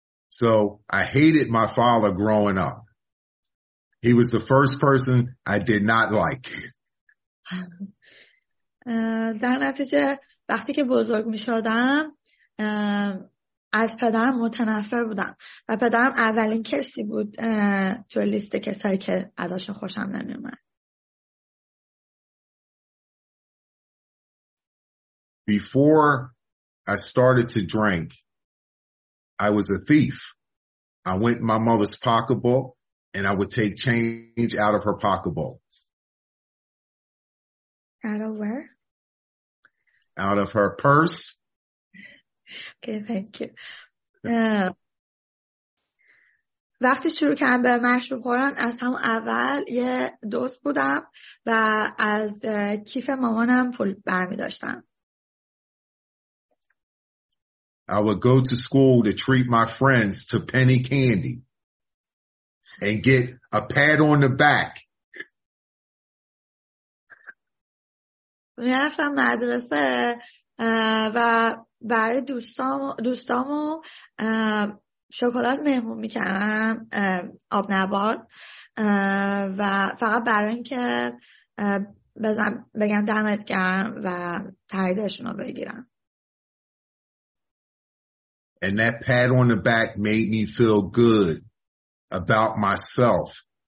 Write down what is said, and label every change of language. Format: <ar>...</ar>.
<en>So I hated my father growing up. He was the first person I did not like.</en> <fa>در نتیجه وقتی که بزرگ می شدم از پدرم متنفر بودم و پدرم اولین کسی بود تو لیست کسایی که ازش خوشم نمی اومد.</fa> <en>Before I started to drink, I was a thief. I went in my mother's pocketbook and I would take change out of her pocketbook. Out of where? Out of her purse. Okay, thank you.</en> <fa>وقتی شروع کردم به مشروب خوردن از همون اول یه دوست بودم و از کیف مامانم پول برمی‌داشتم.</fa> <en>I would go to school to treat my friends to penny candy and get a pat on the back.</en> <fa>می‌رفتم مدرسه و برای دوستامو شکلات مهمون میکردم آب نبات و فقط برای اینکه بزن بگم دمت گرم و تاییدشون رو بگیرم.</fa> <en>And that pat on the back made me feel good about myself.</en>